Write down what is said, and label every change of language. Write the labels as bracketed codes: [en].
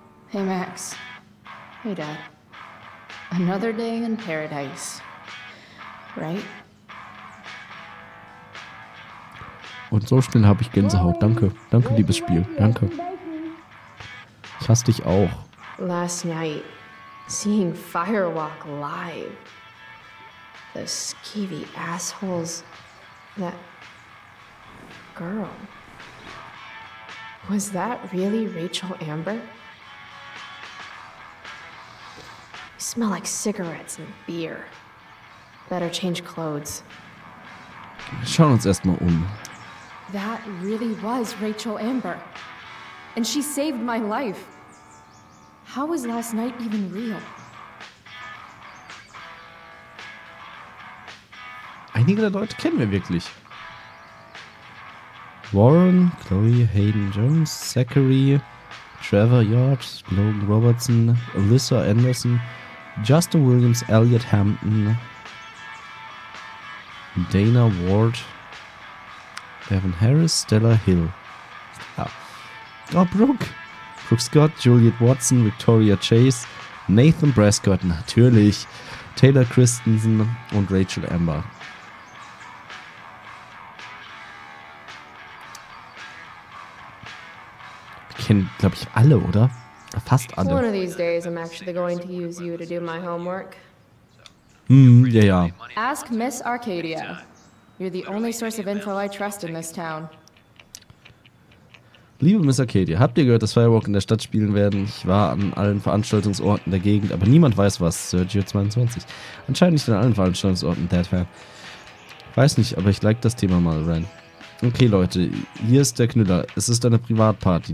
[en] Hey Max. Hey Dad. Another day in paradise. Right? [de] Und so schnell habe ich Gänsehaut. Danke. Danke, liebes Spiel. Danke. Ich hasse dich auch. [en] Last night, seeing Firewalk live. The skeevy assholes. That girl. Was that really Rachel Amber? You smell like cigarettes and beer. Better change clothes. [de] Wir schauen uns erstmal um. [en] That really was Rachel Amber. And she saved my life. How was last night even real? [de] Einige der Leute kennen wir wirklich. Warren, Chloe, Hayden Jones, Zachary, Trevor Yard, Logan Robertson, Alyssa Anderson, Justin Williams, Elliot Hampton, Dana Ward, Evan Harris, Stella Hill. Ja. Oh, Brooke. Brooke Scott, Juliet Watson, Victoria Chase, Nathan Prescott, natürlich. Taylor Christensen und Rachel Amber. Wir kennen, glaube ich, alle, oder? Fast alle. [en] One of these days I'm actually going to use you to do my homework. [de] Ja. [en] Ask Miss Arcadia. You're the only source of info I trust in this town. [de] Liebe Miss Arcadia, habt ihr gehört, dass Firewalk in der Stadt spielen werden? Ich war an allen Veranstaltungsorten der Gegend, aber niemand weiß was. Sergio 22. Anscheinend nicht an allen Veranstaltungsorten, Dead Fan. Weiß nicht, aber ich like das Thema mal, Ren. Okay, Leute, hier ist der Knüller. Es ist eine Privatparty.